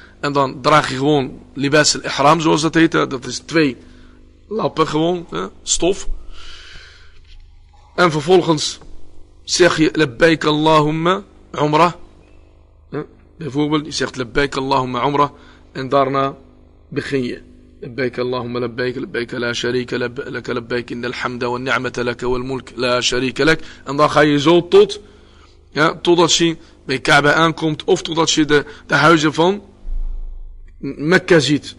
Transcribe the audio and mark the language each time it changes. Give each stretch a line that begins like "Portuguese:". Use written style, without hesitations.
Dutch: En dan draag je gewoon libas al-ihram, zoals dat heet. Hè. Dat is 2 lappen gewoon, hè, stof. En vervolgens zeg je
Arabic: labbaik Allahumma Umra.
Dutch: Hè. Bijvoorbeeld, je zegt
Arabic: labbaik Allahumma Umra.
Dutch: En daarna begin je.
Arabic: لبيك اللهم لبيك لبيك لا شريك لك لبيك إن الحمد والنعمة لك والملك لا شريك لك.
Dutch: En dan ga je zo tot, ja, totdat je bij Kaaba aankomt of totdat je de huizen van Mekka ziet.